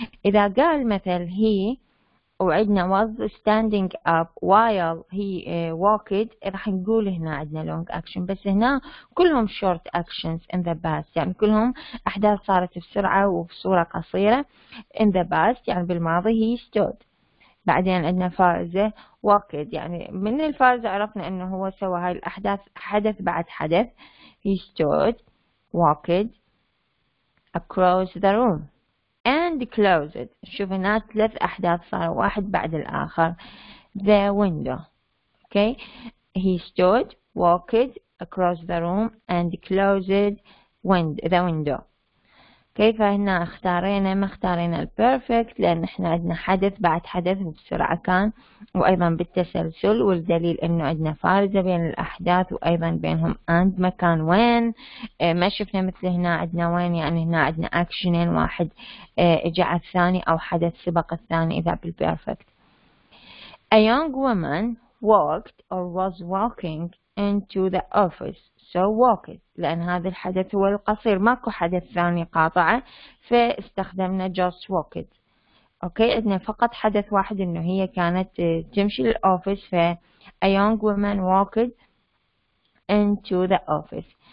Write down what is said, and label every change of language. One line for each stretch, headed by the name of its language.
Arabic: إذا قال مثل he وعندنا
English: was standing up while he walked
Arabic: راح نقول هنا عندنا
English: long action،
Arabic: بس هنا كلهم
English: short actions in the past،
Arabic: يعني كلهم أحداث صارت بسرعة وبصورة قصيرة
English: in the past،
Arabic: يعني بالماضي
English: he stood.
Arabic: بعدين عندنا فاز walked، يعني من الفاز عرفنا أنه هو سوى هاي الأحداث حدث بعد حدث.
English: he stood walked across the room and closed.
Arabic: شوف هنا ثلاث أحداث صاروا واحد بعد الآخر.
English: the window. okay. he stood, walked across the room and closed the window. okay.
Arabic: فهنا اختارينا، ما اختارينا perfect لأن إحنا عندنا حدث بعد حدث وبسرعة كان، وأيضا بالتسلسل، والدليل إنه عندنا فارزة بين الأحداث وأيضا بينهم and مكان وين. ما شفنا مثل هنا عندنا وين، يعني هنا عندنا actionين، واحد جاء الثاني أو حدث سبق الثاني إذا بالperfect.
English: A young woman walked or was walking into the office. So walked،
Arabic: لأن هذا الحدث هو القصير، ماكو حدث ثاني قاطعه، فاستخدمنا
English: just walked.
Arabic: اوكي، عندنا فقط حدث واحد انه هي كانت تمشي للاوفيس، ف
English: a young woman walked into the office.